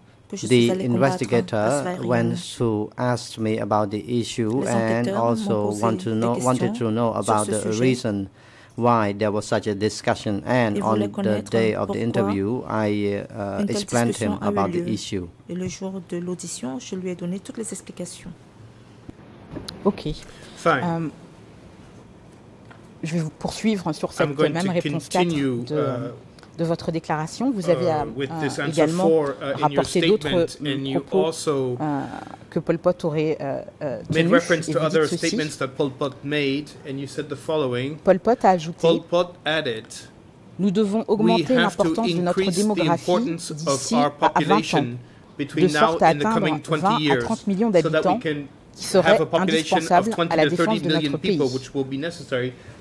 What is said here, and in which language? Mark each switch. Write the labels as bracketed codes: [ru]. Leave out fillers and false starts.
[en] The investigator went to ask me about the issue and also wanted to know about the reason why there was such a discussion. And on the day of the interview, I explained him about the issue. [fr] Et le jour de l'audition, je lui ai donné toutes les explications. [en] OK. Fine. [fr] Je vais vous poursuivre sur cette même réponse 4 de votre déclaration. Vous avez également rapporté d'autres propos que Pol Pot aurait tenus. [en] Made reference to other statements that Pol Pot made, and you said the following. [fr] Pol Pot a ajouté. [en] Pol Pot added. [fr] Nous devons augmenter l'importance de notre démographie d'ici à 20 ans, de sorte à atteindre 20 à 30 millions d'habitants, qui serait indispensable à la défense de notre pays.